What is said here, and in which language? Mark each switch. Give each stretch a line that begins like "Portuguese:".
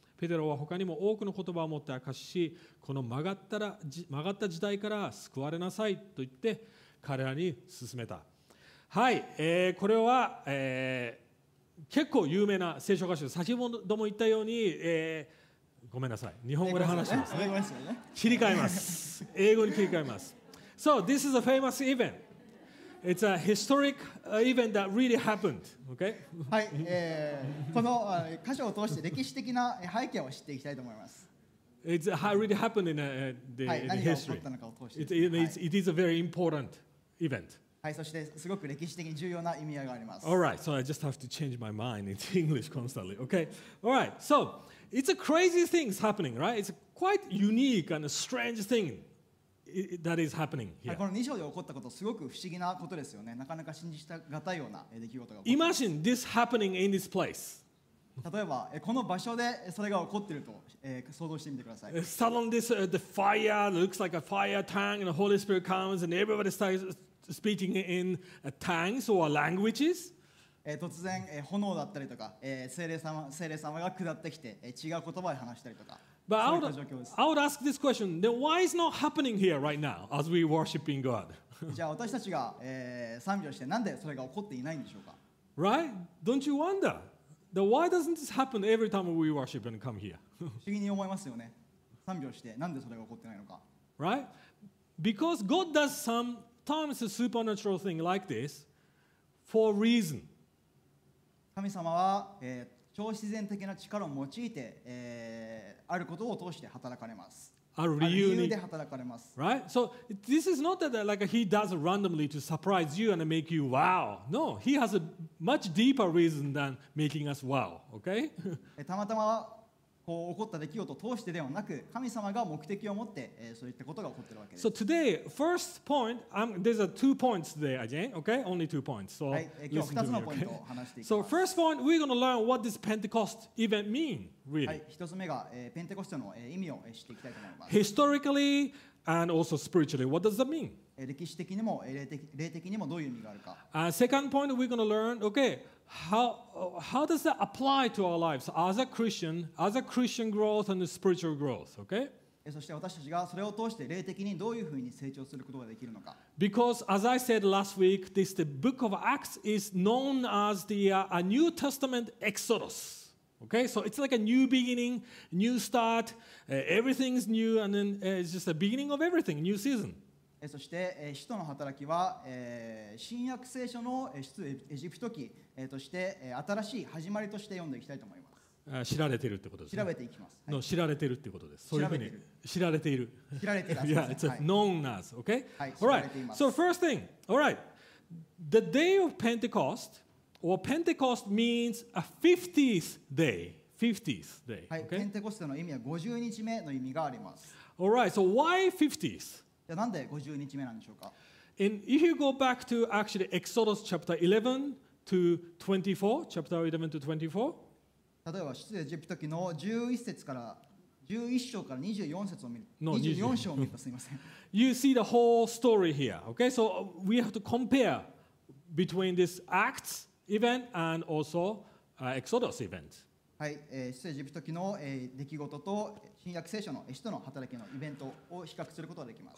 Japanese: ペテロは他にも多くの言葉を持って証しし、この曲がった時代から救われなさいと言って彼らに勧めた。はい、これは、結構有名な聖書箇所、先ほども言ったように、ごめんなさい、日本語で話しますね。切り替えます、英語に切り替えます。
English: So this is a famous eventIt's a historic event that really happened. Okay.
Japanese: はい、この箇所を通して歴史的な背景を知っていきたいと思います。
English: It's really happened in the history.
Japanese: はい、何が起こったのかを通して。
English: It is a very important event.
Japanese: はい、そしてすごく歴史的に重要な意味合いがあります。
English: All right. So I just have to change my mind into English constantly. Okay. All right. So it's a crazy things happening, right? It's quite unique and a strange thing. That is happening here.
Japanese: この2章で起こったこと、すごく不思議なことですよね。なかなか信じがたいような出来事が起こっています
English: 。 Imagine this happening in this place.
Japanese: 例えば、この場所でそれが起こっていると想像してみてください。
English: Suddenly this, the fire looks like a fire tongue and the Holy Spirit comes and everybody starts speaking in tongues or languages.
Japanese: 突然、炎だったりとか、聖霊様が下ってきて、違う言葉で話したりとか。
English: But I would ask this question. Then why is not happening here right now as we worshiping God?
Japanese: じゃあ私たちが、賛美をして、なんでそれが起こっていないんでしょうか。
English: Right? Don't you wonder? That why doesn't this happen every time we worship and come here?
Japanese: 不思議に思いますよね。賛美をして、なんでそれが起こってないのか。
English: Right? Because God does sometimes a supernatural thing like this for a reason.
Japanese: 神様は、超自然的な力を用いて、あることを通して働かれます。ある理由で働かれます。
English: Right? So this is not that like he does it randomly to surprise you and make you wow. No, he has a much deeper reason than making us wow. Okay?
Japanese: たまたまこう起こった出来事を通してではなく、神様が目的を持って、そういったことが起こっているわけです。
English: So today, first point, there's a two points today again, okay? Only two points. So、
Japanese: はい、今日 2 つのポイントを話していきます。
English: So first point, we're going to learn what this Pentecost event mean, really.
Japanese: はい、1つ目が、ペンテコステの、意味を知っていきたいと思います。
English: Historically and also spiritually, what does that mean?
Japanese: 歴史的にも、霊的にもどういう意味があるか。
English: Second point, we're going to learn, okay,How does that apply to our lives as a Christian growth and spiritual growth? Okay.
Japanese: そして私たちがそれを通して霊的にどういうふうに成長することができるのか。
English: Because as I said last week, this the book of Acts is known as the a New Testament Exodus. Okay, so it's like a new beginning, new start. Everything's new, and then it's just a beginning of everything, new season.
Japanese: そして使徒の働きは新約聖書の出エジプト記として新しい始まりとして読んでいきたいと思います。知られているってことですね。調べていきます、はい、知られているってことです。そういうふうに知られている、知られている
English: Yeah, it's a known as, okay?
Japanese: はい、
English: all right.
Japanese: 知られています。
English: So first thing, all right. The day of Pentecost or Pentecost means a 50th day. 50th day, okay?
Japanese: はい、ペンテコステの意味は50日目の意味があります。
English: All right, so why 50th?
Japanese: じゃあなんで50日目なんでしょうか。
English: And if you go back to actually Exodus chapter 11 to 24, chapter 11 to 24,
Japanese: 例えば出エジプト記の11章から24章を見るとすみません。
English: You see the whole story here, okay? So we have to compare between this Acts event and also Exodus event.
Japanese: はい、出エジプト記の、出来事と新約聖書の使徒の働きのイベントを比較することができます。